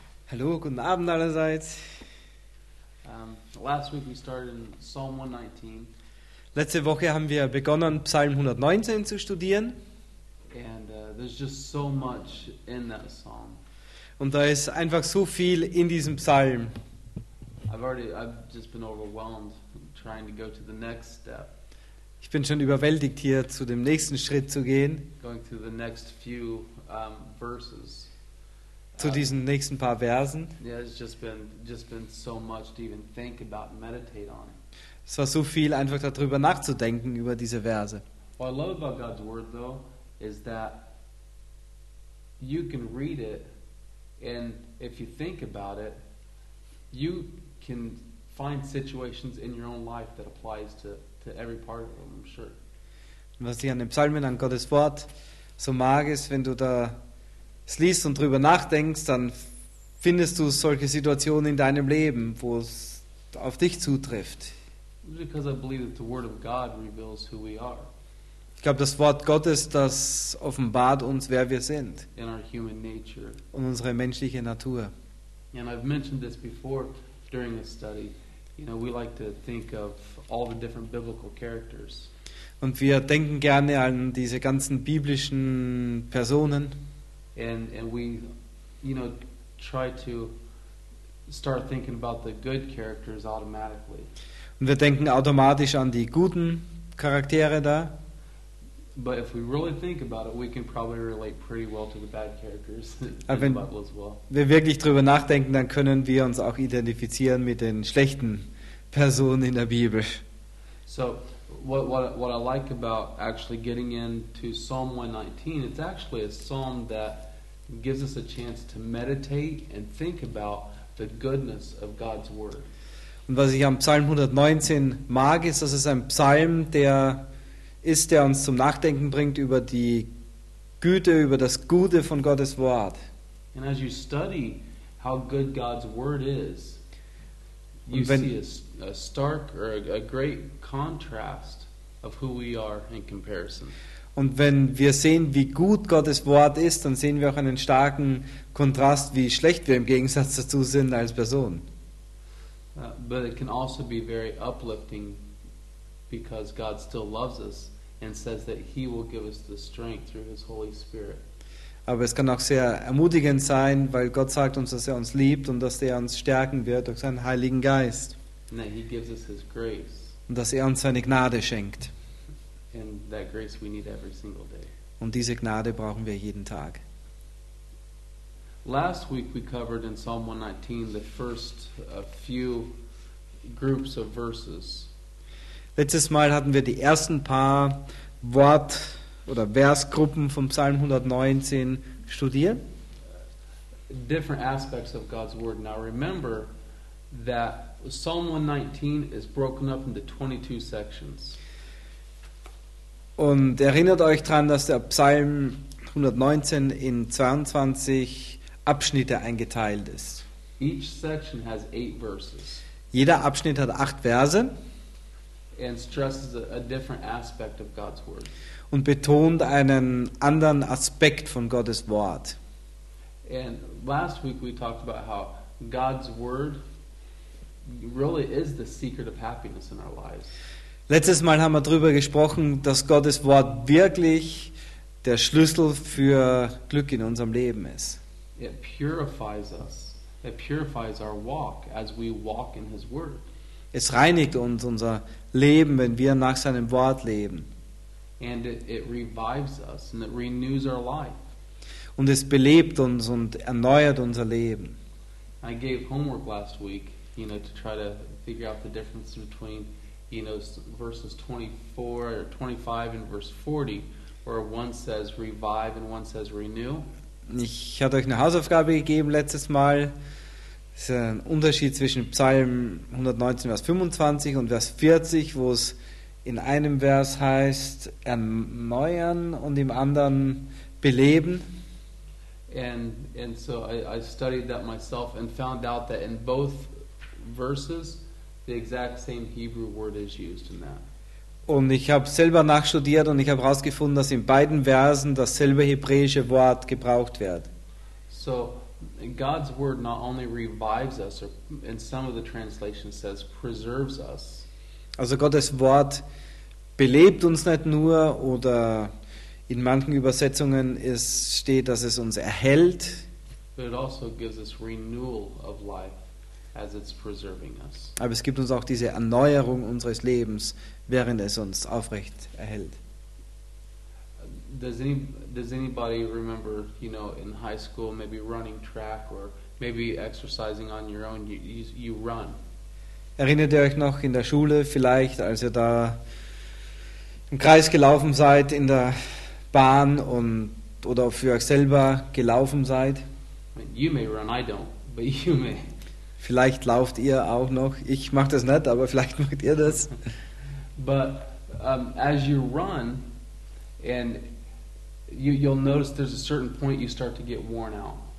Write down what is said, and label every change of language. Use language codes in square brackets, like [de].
[de] Hallo, guten Abend allerseits. [en] Last week we started in Psalm 119. [de] Letzte Woche haben wir begonnen, Psalm 119 zu studieren. [en] And there's just so much in that psalm. [de] Und da ist einfach so viel in diesem Psalm. [en] I've just been overwhelmed trying to go to the next step. [de] Ich bin schon überwältigt, hier zu dem nächsten Schritt zu gehen. [en] Going to the next few, verses. [de] Zu diesen nächsten paar Versen. [en] Yeah, it's just been so much to even think about and meditate on. [de] Es war so viel, einfach darüber nachzudenken, über diese Verse. [en] What I love about God's Word, though, is that you can read it, and if you think about it, you can find situations in your own life that applies to every part of them, I'm sure. [de] Was ich an den Psalmen, an Gottes Wort so mag, ist, wenn du da es liest und drüber nachdenkst, dann findest du solche Situationen in deinem Leben, wo es auf dich zutrifft. [en] Because I believe that the Word of God reveals who we are. [de] Ich glaube, das Wort Gottes, das offenbart uns, wer wir sind. [en] In our human nature. [de] Und unsere menschliche Natur. [en] And I've mentioned this before during this study. You know, we like to think of all the different biblical characters. [de] Und wir denken gerne an diese ganzen biblischen Personen. [en] And we, you know, try to start thinking about the good characters automatically. [de] Und wir denken automatisch an die guten Charaktere da. [en] But if we really think about it, we can probably relate pretty well to the bad characters in the Bible as well. [de] Wenn wir wirklich drüber nachdenken, dann können wir uns auch identifizieren mit den schlechten Personen in der Bibel. [en] So, what I like about actually getting into Psalm 119, it's actually a psalm that gives us a chance to meditate and think about the goodness of God's Word. [de] Und was ich am Psalm 119 mag, ist, dass es ein Psalm, der uns zum Nachdenken bringt über die Güte, über das Gute von Gottes Wort. [en] And as you study how good God's Word is, you see a stark or a great contrast of who we are in comparison. [de] Und wenn wir sehen, wie gut Gottes Wort ist, dann sehen wir auch einen starken Kontrast, wie schlecht wir im Gegensatz dazu sind als Person. [en] But it can also be very uplifting because God still loves us and says that he will give us the strength through his Holy Spirit. [de] Aber es kann auch sehr ermutigend sein, weil Gott sagt uns, dass er uns liebt und dass er uns stärken wird durch seinen Heiligen Geist. [en] And that he gives us his grace. [de] Und dass er uns seine Gnade schenkt. [en] And that grace we need every single day. [de] Und diese Gnade brauchen wir jeden Tag. [en] Last week we covered in Psalm 119 the first few groups of verses. [de] Letztes Mal hatten wir die ersten paar Wort- oder Versgruppen vom Psalm 119 studiert. [en] Different aspects of God's Word. Now remember that Psalm 119 is broken up into 22 sections. [de] Und erinnert euch daran, dass der Psalm 119 in 22 Abschnitte eingeteilt ist. [en] Each section has 8 verses. [de] Jeder Abschnitt hat 8 Verse. [en] And stresses a different aspect of God's Word. [de] Und betont einen anderen Aspekt von Gottes Wort. [en] And last week we talked about how God's Word really is the secret of happiness in our lives. [de] Letztes Mal haben wir darüber gesprochen, dass Gottes Wort wirklich der Schlüssel für Glück in unserem Leben ist. [en] It purifies us. It purifies our walk as we walk in His Word. [de] Es reinigt uns, unser Leben, wenn wir nach seinem Wort leben. [en] And it revives us and it renews our life. [de] Und es belebt uns und erneuert unser Leben. [en] I gave homework last week, you know, to try to figure out the difference between, you know, verses 24 or 25 and verse 40, where one says revive and one says renew. [de] Ich hatte euch eine Hausaufgabe gegeben letztes Mal. Es ist ein Unterschied zwischen Psalm 119, Vers 25 und Vers 40, wo es in einem Vers heißt erneuern und im anderen beleben. [en] And so I studied that myself and found out that in both verses the exact same Hebrew word is used in that. [de] Und ich habe selber nachstudiert und ich habe herausgefunden, dass in beiden Versen dasselbe hebräische Wort gebraucht wird. [en] So, God's word not only revives us, or in some of the translations says preserves us. [de] Also Gottes Wort belebt uns nicht nur, oder in manchen Übersetzungen steht, dass es uns erhält. [en] But it also gives us renewal of life as it's preserving us. [de] Aber es gibt uns auch diese Erneuerung unseres Lebens, während es uns aufrecht erhält. [en] Does anybody remember, you know, in high school, maybe running track or maybe exercising on your own, you run? [de] Erinnert ihr euch noch in der Schule vielleicht, als ihr da im Kreis gelaufen seid, in der Bahn oder für euch selber gelaufen seid? [en] You may run, I don't, but you may. [de] Vielleicht lauft ihr auch noch. Ich mache das nicht, aber vielleicht macht ihr das. [en] But as you run, and you'll notice there's a certain point you start to get worn out.